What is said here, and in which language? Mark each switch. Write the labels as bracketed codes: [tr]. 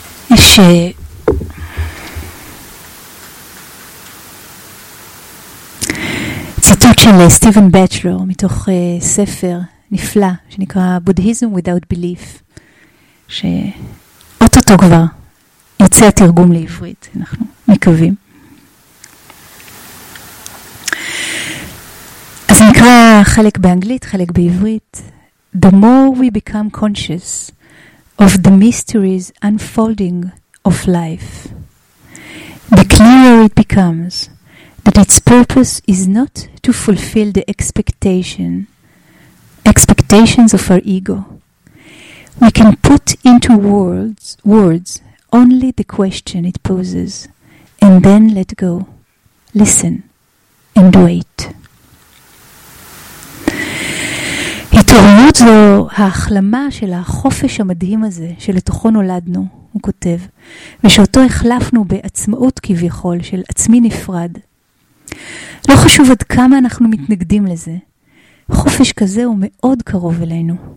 [he] יש ציטוט של סטיבן בצ'לור מתוך ספר נפלא שנקרא Buddhism Without Belief, שאוטוטו כבר יצא התרגום לעברית, אנחנו מקווים. אז נקרא חלק באנגלית, חלק בעברית. [en] The more we become conscious of the mysteries unfolding of life, the clearer it becomes that its purpose is not to fulfill the expectations of our ego. We can put into words only the question it poses, and then let go, listen, and wait. [he] התעוררות זו ההחלמה של החופש המדהים הזה שלתוכו נולדנו, הוא כותב, ושאותו החלפנו בעצמאות כביכול של עצמי נפרד. לא חשוב עד כמה אנחנו מתנגדים לזה, חופש כזה הוא מאוד קרוב אלינו.